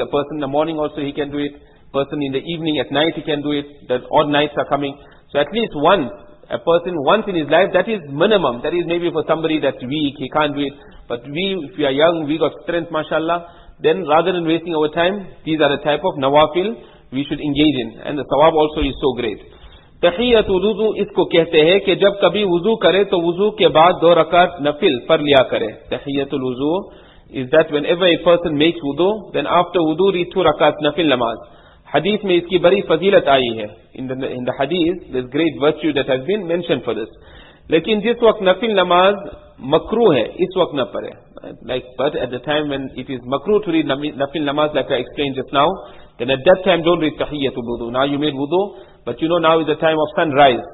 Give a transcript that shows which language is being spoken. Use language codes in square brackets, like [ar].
[en] A person in the morning also, he can do it. Person in the evening, at night, he can do it. The odd nights are coming. So at least once, a person, once in his life, that is minimum. That is maybe for somebody that's weak, he can't do it. But we, if we are young, we got strength, mashallah. Then, rather than wasting our time, these are the type of nawafil we should engage in. And the sawab also is so great. [ur] تحیت وضو اس کو کہتے ہیں کہ جب کبھی وضو کرے تو وضو کے بعد دو رکعت نفل پر لیا کرے. [en] تحیت الوضو is that whenever a person makes wudu, then after wudu read 2 rakat nafil namaz. [ur] Hadith میں اس کی بڑی فضیلت آئی ہے. [en] In the hadith, there's great virtue that has been mentioned for this. [ur] لیکن جس وقت نفل نماز مکروہ ہے اس وقت نہ پڑے. [en] Like, but at the time when it is makruh to read nafil namaz, like I explained just now, Then at that time, don't read Tahiyyatul Wudu. Now you made wudu, but you know now is the time of sunrise.